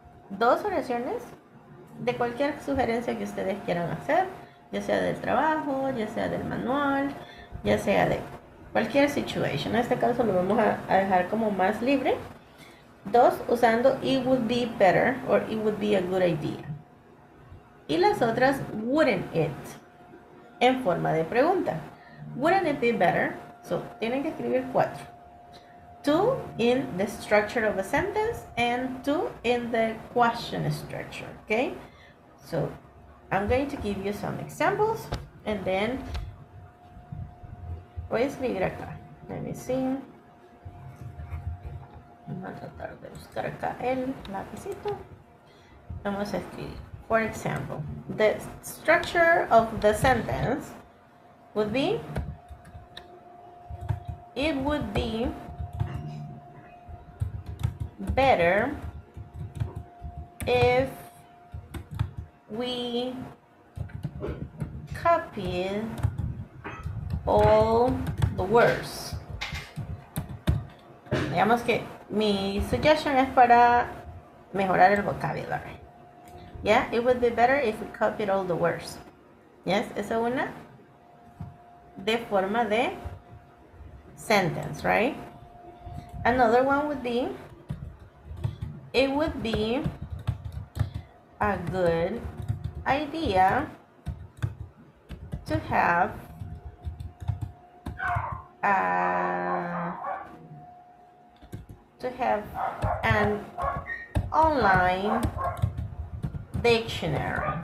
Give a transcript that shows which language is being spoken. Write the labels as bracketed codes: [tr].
[es] Dos oraciones de cualquier sugerencia que ustedes quieran hacer, ya sea del trabajo, ya sea del manual, ya sea de cualquier situation. En este caso lo vamos a dejar como más libre. Dos, usando [en] it would be better or it would be a good idea. [es] Y las otras, [en] wouldn't it, [es] en forma de pregunta. [en] Wouldn't it be better? So, [es] tienen que escribir cuatro. [en] Two in the structure of a sentence and two in the question structure, okay? So, I'm going to give you some examples and then [es] voy a escribir acá. [en] Let me see. [es] Vamos a tratar de buscar acá el lapicito. Vamos a escribir. [en] For example, the structure of the sentence would be, it would be better if we copied all the words. [es] Digamos que mi suggestion es para mejorar el vocabulary. [en] Yeah, it would be better if we copied all the words. Yes, [es] esa es una de forma de [en] sentence, right? Another one would be, it would be a good idea to have an online dictionary.